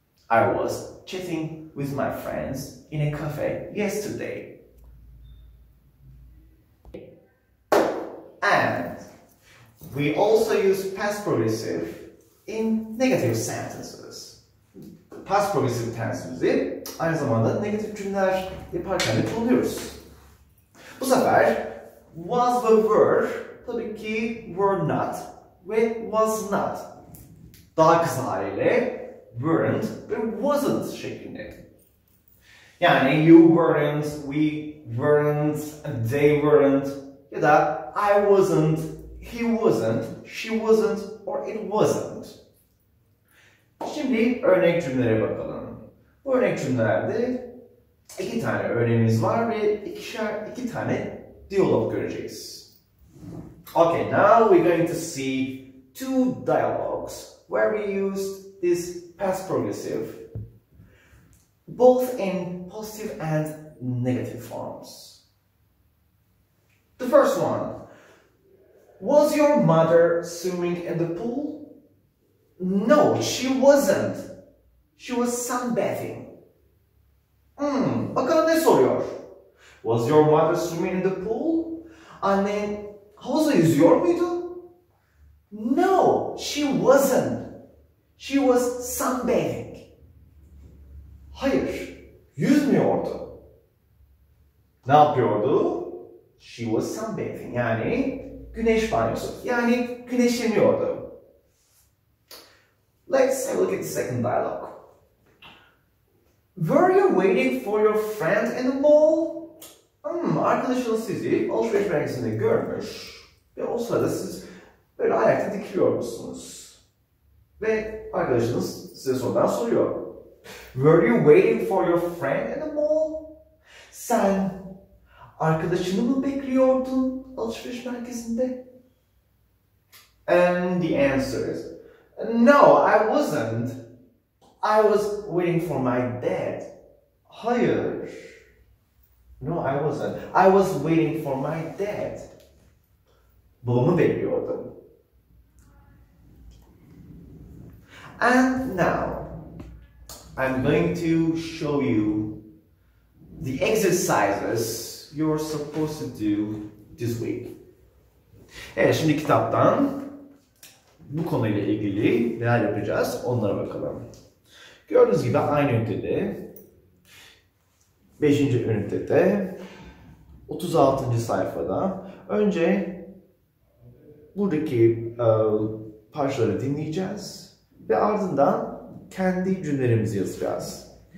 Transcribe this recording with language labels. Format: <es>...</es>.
<en>I was chatting with my friends in a cafe yesterday. And we also use past progressive in negative sentences.</en> <tr>Past progressive tense'imizi aynı zamanda negatif cümleler yaparken de kullanıyoruz. Bu sefer was the were, tabii ki were not ve was not. Daha kısa haliyle weren't ve wasn't şeklinde. Yani you weren't, we weren't, they weren't ya da I wasn't, he wasn't, she wasn't or it wasn't. Şimdi örnek cümlelere bakalım. Bu örnek cümlelerde iki tane örneğimiz var ve ikişer iki tane diyalog göreceğiz.</tr> <en>Okay, now we're going to see two dialogues where we used this past progressive, both in positive and negative forms. The first one, was your mother swimming in the pool? No, she wasn't. She was sunbathing.</en> <tr>Bakalım ne soruyor?</tr> <en>Was your mother swimming in the pool?</en> <tr>Annen havuzda yüzüyor muydu?</tr> <en>No, she wasn't. She was sunbathing.</en> <tr>Hayır, yüzmüyordu. Ne yapıyordu?</tr> <en>She was sunbathing.</en> <tr>Yani güneş banyosu. Yani güneşleniyordu.</tr> <en>Let's have a look at the second dialogue. Were you waiting for your friend in the mall?</en> <tr>Arkadaşınız sizi alışveriş merkezinde görmüş ve o sırada siz böyle ayakta dikiliyor musunuz? Ve arkadaşınız size sonradan soruyor.</tr> <en>Were you waiting for your friend in the mall?</en> <tr>Sen arkadaşını mı bekliyordun alışveriş merkezinde?</tr> <en>And the answer is, no, I wasn't. I was waiting for my dad.</en> <tr>Hayır.</tr> <en>No, I wasn't. I was waiting for my dad.</en> <tr>Babamı bekliyordum.</tr> <en>And now, I'm going to show you the exercises you're supposed to do this week.</en> <tr>Evet, şimdi kitaptan bu konuyla ilgili neler yapacağız onlara bakalım. Gördüğünüz gibi aynı ünitede 5. ünitede 36. sayfada önce buradaki parçaları dinleyeceğiz ve ardından kendi cümlelerimizi yazacağız.</tr>